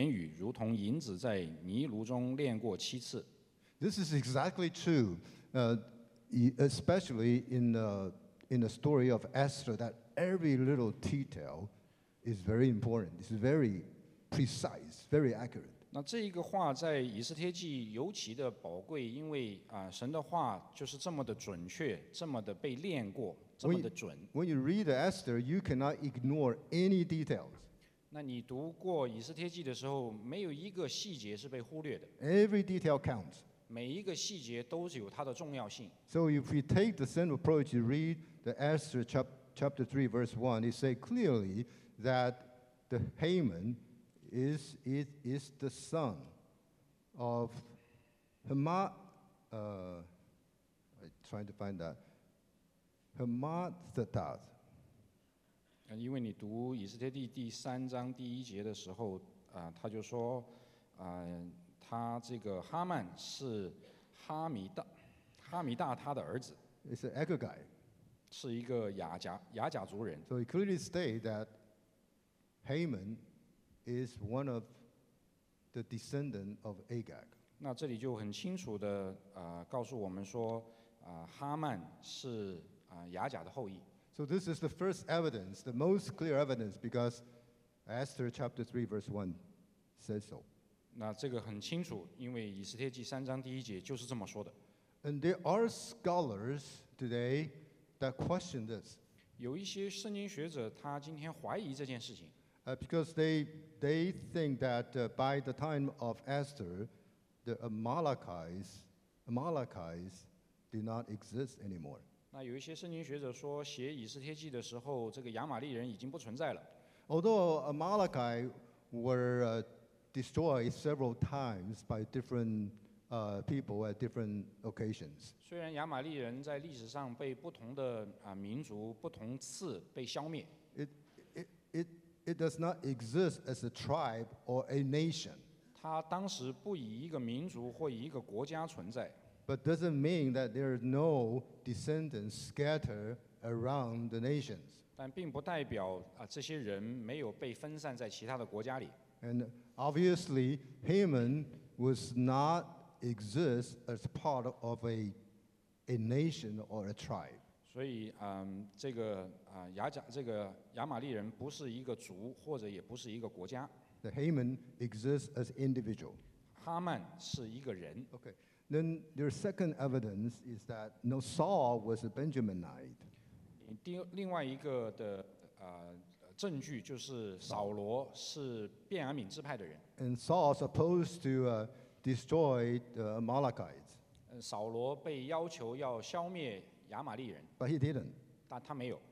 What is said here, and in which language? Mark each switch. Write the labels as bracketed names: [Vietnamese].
[Chinese] 十二章第六节说，耶和华的言语是纯净的言语，如同银子在泥炉中炼过七次。 [English] This is exactly true, especially in the story of Esther, that every little detail is very important. It's very precise, very accurate. [Chinese] 那这一个话在以斯帖记尤其的宝贵，因为神的话就是这么的准确，这么的被炼过，这么的准。 [English] When you read Esther, you cannot ignore any details. [Chinese] 那你读过以斯帖记的时候，没有一个细节是被忽略的。 [English] Every detail counts. [Chinese] 每一个细节都是有它的重要性。 [English] So if we take the same approach to read the Esther chapter 3 verse 1, it says clearly that the Haman is the son of Hamathadath. [Chinese] 因为你读以斯帖记第三章第一节的时候，他就说，他这个哈曼是哈米大他的儿子。 [English] It's an Agagite. [Chinese] 是一个雅甲族人。 [English] So it clearly states that Haman is one of the descendants of Agag. [Chinese] 那这里就很清楚的告诉我们说，哈曼是雅甲的后裔。 [English] So this is the first evidence, the most clear evidence, because Esther chapter 3 verse 1 says so. [Chinese] 那这个很清楚，因为以斯帖记三章第一节就是这么说的。 [English] And there are scholars today that question this. [Chinese] 有一些圣经学者他今天怀疑这件事情。 [English] Because they think that by the time of Esther, the Amalekites did not exist anymore. [Chinese] 那有一些圣经学者说，写以斯帖记的时候，这个亚玛利人已经不存在了。 [English] Although Amalekai were destroyed several times by different people at different occasions. [Chinese] 虽然亚玛利人在历史上被不同的民族不同次被消灭。 [English] It does not exist as a tribe or a nation. [Chinese] 它当时不以一个民族或以一个国家存在。 [English] But doesn't mean that there are no descendants scattered around the nations. [Chinese] 但并不代表这些人没有被分散在其他的国家里。 [English] And obviously, Haman was not exist as part of a nation or a tribe. [Chinese] 所以，这个这个亚玛利人不是一个族，或者也不是一个国家。 [English] The Haman exists as individual. [Chinese] 哈曼是一个人。 [English] Okay. Then their second evidence is that no, Saul was a Benjaminite. [Chinese] 另外一个的证据就是扫罗是便雅悯支派的人。 [English] And Saul supposed to destroy the Amalekites. [Chinese] 扫罗被要求要消灭亚玛利人。 [English] But he didn't. [Chinese] 但他没有。